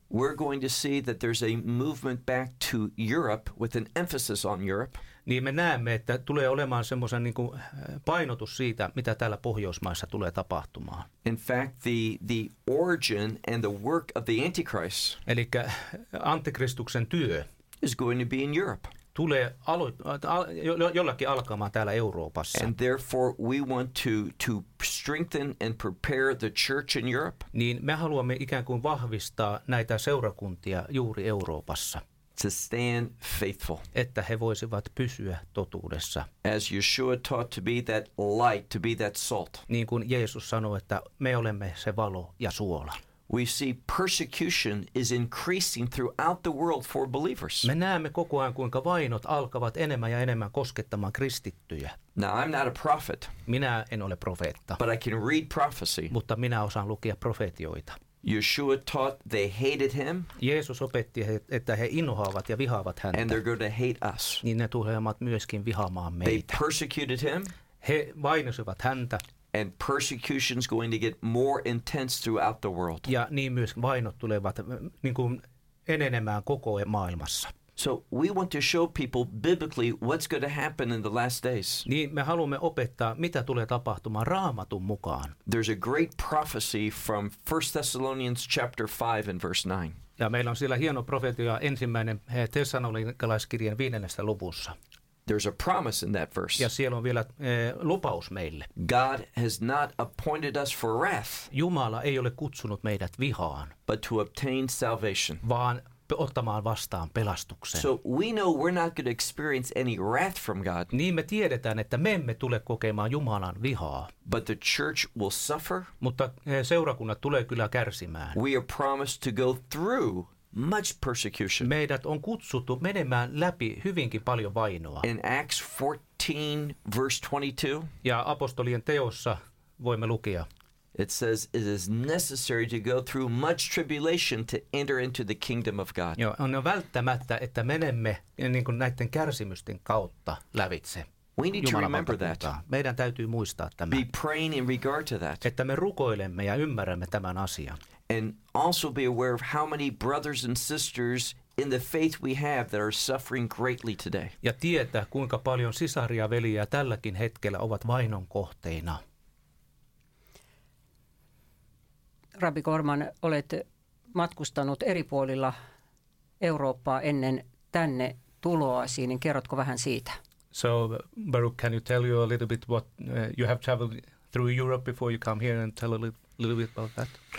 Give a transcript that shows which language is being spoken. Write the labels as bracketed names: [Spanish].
[English] we're going to see that there's a movement back to Europe with an emphasis on Europe. [Finnish] Niin me näemme, että tulee olemaan semmoisen niin kuin painotus siitä, mitä täällä Pohjoismaissa tulee tapahtumaan. [English] In fact, the origin and the work of the Antichrist. [Finnish] Elikkä antikristuksen työ [English] is going to be in Europe. [Finnish] Tulee jollakin alkamaan täällä Euroopassa. [English] And therefore we want to strengthen and prepare the church in Europe. [Finnish] Niin me haluamme ikään kuin vahvistaa näitä seurakuntia juuri Euroopassa. [English] To stand faithful. [Finnish] Että he voisivat pysyä totuudessa. [English] As Yeshua taught to be that light, to be that salt. [Finnish] Niin kuin Jeesus sanoi, että me olemme se valo ja suola. [English] We see persecution is increasing throughout the world for believers. [Finnish] Me näemme koko ajan, kuinka vainot alkavat enemmän ja enemmän koskettamaan kristittyjä. [English] Now, I'm not a prophet. [Finnish] Minä en ole profeetta. [English] But I can read prophecy. [Finnish] Mutta minä osaan lukea profetioita. [English] Yeshua taught they hated him. [Finnish] Jeesus opetti, että he inhoavat ja vihaavat häntä. [English] And they're going to hate us. [Finnish] Niin ne tulevat myöskin vihaamaan meitä. [English] They persecuted him. [Finnish] He vainosivat häntä. [English] And persecution's going to get more intense throughout the world. [Finnish] Ja niin myös vainot tulevat niin kuin enenemään koko maailmassa. [English] So we want to show people biblically what's going to happen in the last days. [Finnish] Niin me haluamme opettaa, mitä tulee tapahtumaan Raamatun mukaan. [English] There's a great prophecy from 1 Thessalonians chapter 5 and verse 9. [Finnish] Ja meillä on siellä hieno profetia ensimmäinen Tessalonikalaiskirjan 5. luvussa. [English] There's a promise in that verse. [Finnish] Ja siellä on vielä lupaus meille. [English] God has not appointed us for wrath. [Finnish] Jumala ei ole kutsunut meidät vihaan. [English] But to obtain salvation. [Finnish] Vaan ottamaan vastaan pelastuksen. [English] So we know we're not going to experience any wrath from God. [Finnish] Niin me tiedetään, että me emme tule kokemaan Jumalan vihaa. [English] But the church will suffer. [Finnish] Mutta seurakunnat tulee kyllä kärsimään. [English] We are promised to go through much persecution. [Finnish] Meidät on kutsuttu menemään läpi hyvinkin paljon vainoa. [English] In Acts 14. 18, verse 22. [Finnish] Ja apostolien teossa voimme lukea. [English] It says it is necessary to go through much tribulation to enter into the kingdom of God. [Finnish] Joo, on välttämättä, että menemme niin kuin näiden kärsimysten kautta lävitse. [English] We need to remember that. [Finnish] Meidän täytyy muistaa tämä. [English] Be praying in regard to that. [Finnish] Että me rukoilemme ja ymmärrämme tämän asian. [English] And also be aware of how many brothers and sisters in the faith we have that are suffering greatly today. [Finnish] Ja tietää, kuinka paljon sisaria veliä tälläkin hetkellä ovat vainon kohteina. Rabbi Korman, olet matkustanut eri puolilla Eurooppaa ennen tänne tuloasi, niin kerrotko vähän siitä? [English] So, Baruch, can you tell you a little bit what you have traveled through Europe before you come here and tell a little bit about that?